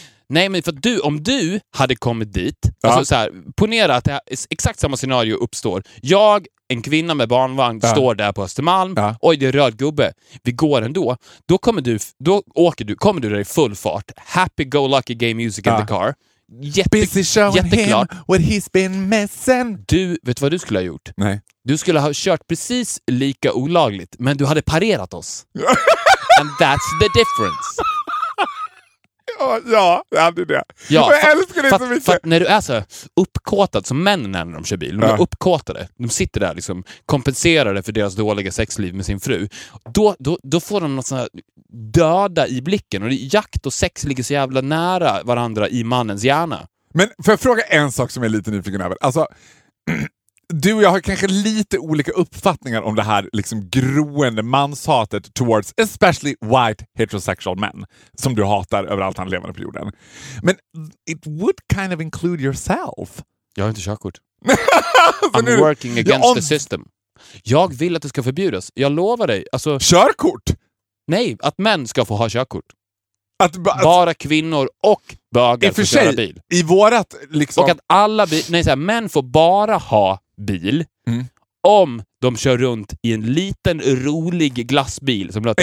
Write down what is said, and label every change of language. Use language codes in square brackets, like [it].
[sv] Nej, men för att du, om du hade kommit dit, ja. Alltså så här, ponera att det här, exakt samma scenario uppstår. Jag, en kvinna med barnvagn, ja. Står där på Östermalm. Ja. Oj, det är röd gubbe. Vi går ändå. Då kommer du, kommer du där i full fart. [en] Happy go lucky gay music, ja. In the car. Busy showing him what he's been missing. [sv] Du, vet vad du skulle ha gjort? Nej. Du skulle ha kört precis lika olagligt, men du hade parerat oss. [en] And that's the difference. [sv] Ja, det är det. Ja, jag älskar det så mycket. När du är så uppkåtad som män när de kör bil, de är uppkåtade, de sitter där liksom, kompenserade för deras dåliga sexliv med sin fru, då får de något sån här döda i blicken, och jakt och sex ligger så jävla nära varandra i mannens hjärna. Men får jag fråga en sak som jag är lite nyfiken över? Alltså, du och jag har kanske lite olika uppfattningar om det här liksom groende manshatet [en] towards especially white heterosexual men [sv] som du hatar överallt han lever på jorden. Men [en] it would kind of include yourself. [sv] Jag har inte körkort. [en] I'm working against the system. [sv] Jag vill att det ska förbjudas. Jag lovar dig. Alltså, körkort? Nej, att män ska få ha körkort. Att bara kvinnor och bögar får köra bil. I vårat liksom... Och att alla män får bara ha bil, om de kör runt i en liten rolig glassbil som låter